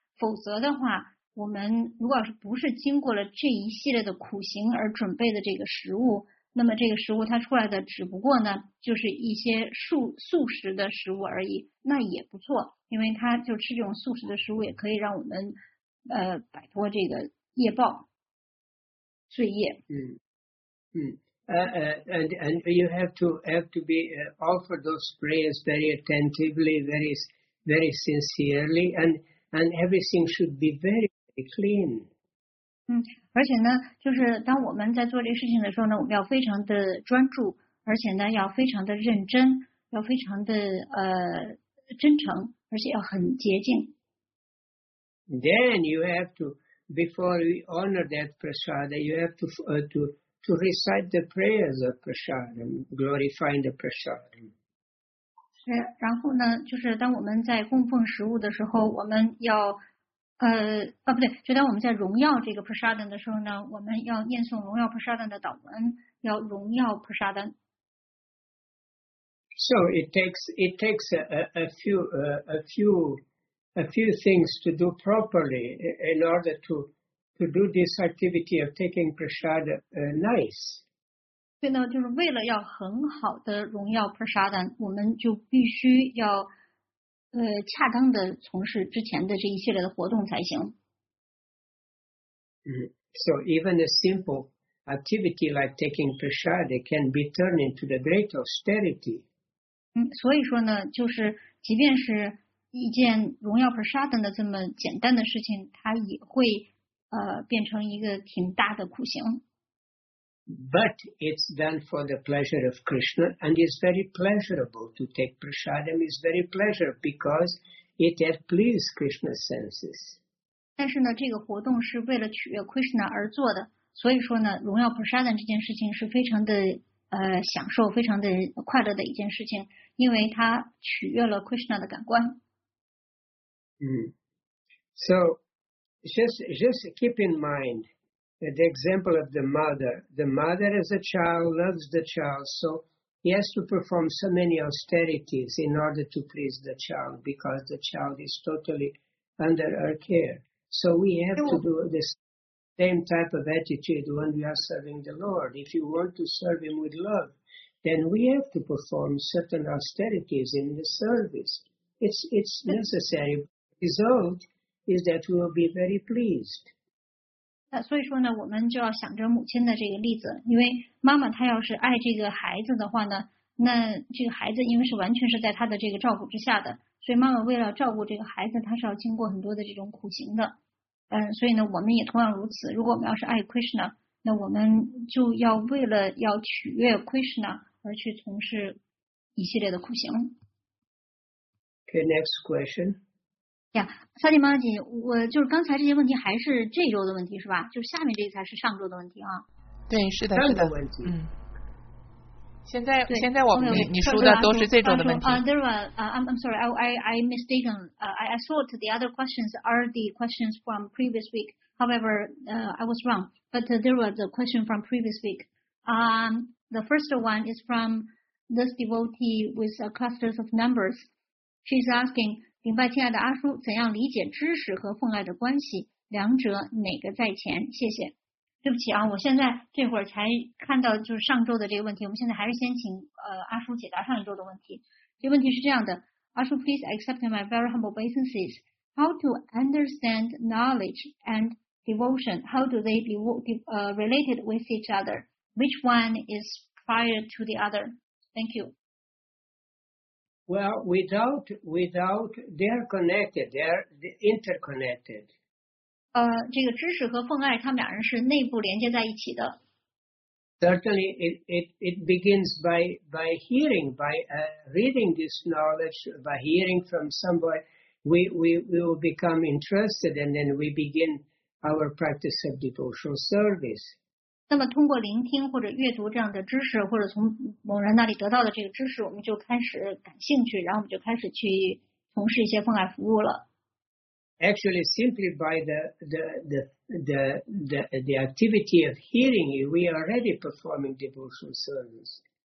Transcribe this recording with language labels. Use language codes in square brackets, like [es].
[zh] 否则的话，我们如果不是经过了这一系列的苦行而准备的这个食物。那么这个食物它出来的只不过呢就是一些素食的食物而已，那也不错，因为它就吃这种素食的食物也可以让我们摆脱这个业报罪业。 [en] And you have to be offer those prayers very attentively, very very sincerely, and everything should be very, very clean. [zh] 而且呢，就是当我们在做这个事情的时候呢，我们要非常的专注，而且呢，要非常的认真，要非常的真诚，而且要很洁净。 [en] Then you have to, before you honor that prasada, you have to recite the prayers of prasada, glorifying the prasada. [zh] 然后呢，就是当我们在供奉食物的时候，我们要。不对，就当我们在荣耀这个 prasadam 的时候呢，我们要念诵荣耀 prasadam 的祷文，要荣耀 prasadam。 [en] So it takes a few things to do properly in order to do this activity of taking prasad nice。 [zh] 所以呢，就是为了要很好的荣耀 prasadam， 我们就必须要。恰当的从事之前的这一系列的活动才行。 [en] So even a simple activity like taking prasad can be turned into the great austerity. [zh] 所以说呢，就是即便是一件荣耀 prasad 的这么简单的事情，它也会变成一个挺大的苦行。 [en] But it's done for the pleasure of Krishna, and it's very pleasurable to take prasadam. It's very pleasurable because it has pleased Krishna's senses. [zh] 但是呢，这个活动是为了取悦 Krishna 而做的，所以说呢，荣耀 prasadam 这件事情是非常的享受、非常的快乐的一件事情，因为它取悦了 Krishna 的感官。 [en] So just keep in mind. The example of the mother. The mother as a child loves the child, so he has to perform so many austerities in order to please the child because the child is totally under her care. So we have to do this same type of attitude when we are serving the Lord. If you want to serve him with love, then we have to perform certain austerities in the service. It's necessary. The result is that we will be very pleased. [zh] 所以说呢，我们就要想着母亲的这个例子，因为妈妈她要是爱这个孩子的话呢，那这个孩子因为是完全是在她的这个照顾之下的，所以妈妈为了照顾这个孩子，她是要经过很多的这种苦行的。所以呢，我们也同样如此。如果我们要是爱 Krishna， 那我们就要为了要取悦 Krishna 而去从事一系列的苦行。 [en] Okay, next question. [zh] Yeah, 萨蒂玛姐，我就是刚才这些问题还是这周的问题是吧？就下面这个才是上周的问题啊。对，是的，是的。问题现在我们你说的都是这周的问题。 [en] There was, I'm sorry, I mistaken. I thought the other questions are the questions from previous week. However, I was wrong. But there was a question from previous week. The first one is from this devotee with clusters of numbers. She's asking. [zh] 明白，亲爱的阿叔，怎样理解知识和奉爱的关系？两者哪个在前？谢谢。对不起啊，我现在这会儿才看到就是上周的这个问题，我们现在还是先请阿叔解答上一周的问题。这问题是这样的， [en] 阿叔 ，please accept my very humble obeisances. How to understand knowledge and devotion? How do they be related with each other? Which one is prior to the other? Thank you. Well, without, they are connected, they are interconnected. [zh] 这个知识和奉爱，他们俩人是内部连接在一起的。 [en] Certainly, it begins by hearing, reading this knowledge, by hearing from somebody. We will become interested, and then we begin our practice of devotional service. [zh] 那么通过聆听或者阅读这样的知识或者从某人那里得到的这个知识我们就开始感兴趣然后我们就开始去从事一些奉爱服务了 [en] Actually simply by the activity of hearing we are already performing devotional service